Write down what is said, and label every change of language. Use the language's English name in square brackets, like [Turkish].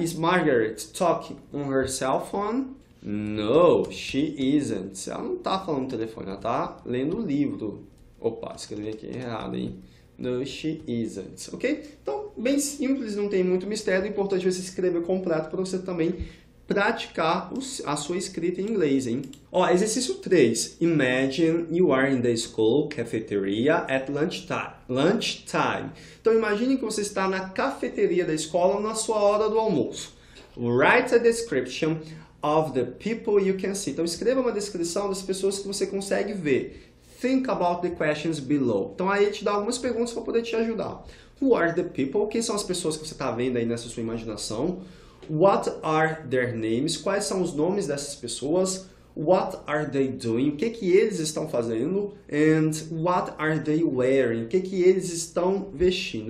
[English] Is Margaret talking on her cell phone? No, she isn't. [Portuguese] Ela não está falando no telefone, ela está lendo o livro. Opa, escrevi aqui errado, hein? [English] No, she isn't. [Portuguese] Ok? Então, bem simples, não tem muito mistério. O importante é você escrever completo para você também praticar a sua escrita em inglês, hein? Ó, exercício 3. [English] Imagine you are in the school cafeteria at lunchtime. [Portuguese] Então, imagine que você está na cafeteria da escola na sua hora do almoço. [English] Write a description of the people you can see. [Portuguese] Então, escreva uma descrição das pessoas que você consegue ver. [English] Think about the questions below. [Portuguese] Então, aí te dá algumas perguntas para poder te ajudar. [English] Who are the people? [Portuguese] Quem são as pessoas que você está vendo aí nessa sua imaginação? [English] What are their names? [Portuguese] Quais são os nomes dessas pessoas? [English] What are they doing? [Portuguese] O que que eles estão fazendo? [English] And what are they wearing? [Portuguese] O que que eles estão vestindo?